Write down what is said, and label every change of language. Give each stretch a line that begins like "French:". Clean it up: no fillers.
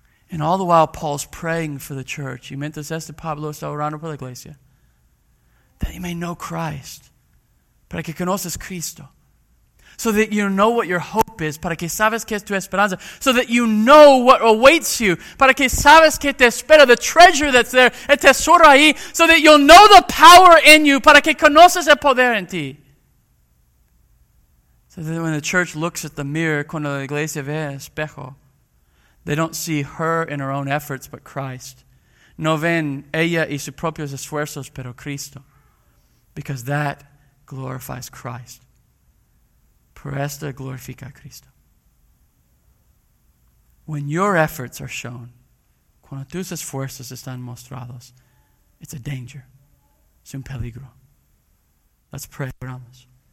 English: And all the while, Paul's praying for the church.
Spanish: Y mientras este Pablo está orando por la iglesia.
English: That you may know Christ.
Spanish: Para que conozcas Cristo.
English: So that you know what your hope is.
Spanish: Para que sabes que es tu esperanza.
English: So that you know what awaits you.
Spanish: Para que sabes que te espera.
English: The treasure that's there.
Spanish: El tesoro ahí.
English: So that you'll know the power in you.
Spanish: Para que conozcas el poder en ti.
English: So that when the church looks at the mirror.
Spanish: Cuando la iglesia ve el espejo.
English: They don't see her in her own efforts, but Christ.
Spanish: No ven ella y sus propios esfuerzos, pero Cristo.
English: Because that glorifies Christ.
Spanish: Por esto glorifica a Cristo.
English: When your efforts are shown,
Spanish: cuando tus esfuerzos están mostrados,
English: it's a danger.
Spanish: Es un peligro.
English: Let's pray.
Spanish: Oramos.